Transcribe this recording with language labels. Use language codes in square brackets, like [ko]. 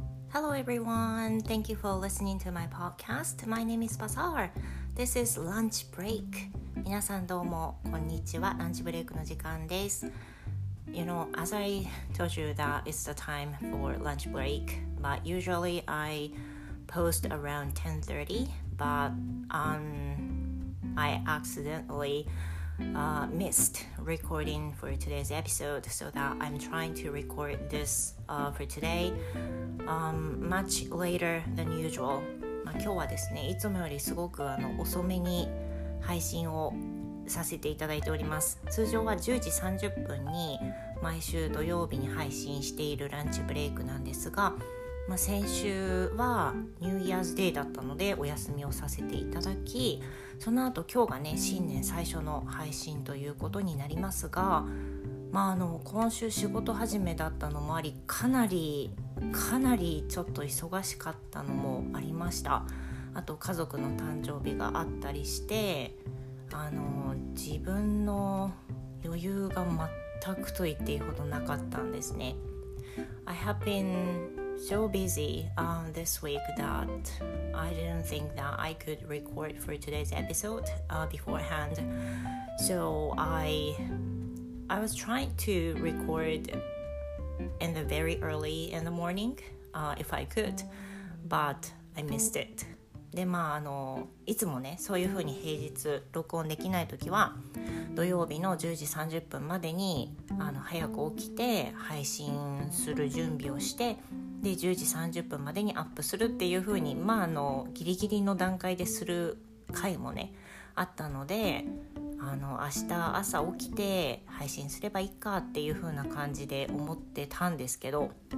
[en] Hello everyone, thank you for listening to my podcast. My name is Bazaar. This is Lunch Break. [ja] 皆さんどうもこんにちは。ランチブレイクの時間です。 [en] You know, as I told you that it's the time for lunch break, but usually I post around 10:30, but I accidentlallymissed recording for today's episode, so that I'm trying to record this for today much later than usual. [ja] 今日はですね、いつもよりすごく遅めに配信をさせていただいております。通常は10時30分に毎週土曜日に配信しているランチブレイクなんですが、先週はニューイヤーズデーだったのでお休みをさせていただき、その後今日がね、新年最初の配信ということになりますが、今週仕事始めだったのもあり、かなりちょっと忙しかったのもありました。あと家族の誕生日があったりして、自分の余裕が全くと言っていいほどなかったんですね。 [en] I have beenSo busy this week that I didn't think that I could record for today's episode beforehand. So I was trying to record in the very early in the morning if I could, but I missed it. [ja] で、いつもね、そういうふうに平日録音できないときは土曜日の10時30分までに早く起きて配信する準備をして、で10時30分までにアップするっていう風に、ギリギリの段階でする回もねあったので、明日朝起きて配信すればいいかっていう風な感じで思ってたんですけど、